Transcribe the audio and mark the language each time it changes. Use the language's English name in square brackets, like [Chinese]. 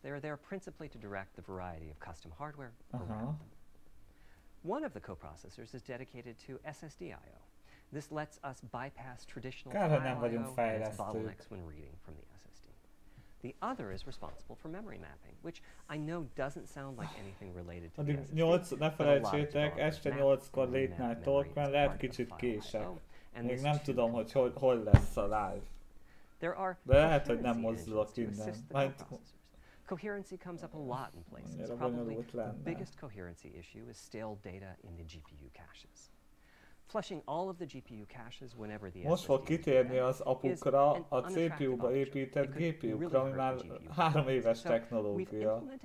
[English] They are there principally to direct the variety of custom hardware around them. One of the coprocessors is dedicated to SSD I/O. This lets us bypass traditional file I/O and its bottlenecks when reading from the SSD. The other is responsible for memory mapping, which I know doesn't sound like anything related to the SSD. [Hungarian] Ne felejtsétek, este 8-kor late night talk, mert lehet kicsit kések. Még nem tudom, hogy hol lesz a live. [English] There are [Hungarian] lehet, hogy nem mozdulok innen. [English] Coherency comes up a lot in places. Probably the biggest coherency issue is stale data in the GPU caches. Flushing all of the GPU caches whenever the [Hungarian] most fog kitérni az apukra a CPU-ba épített GPU-kra, ami már 3 éves technológia.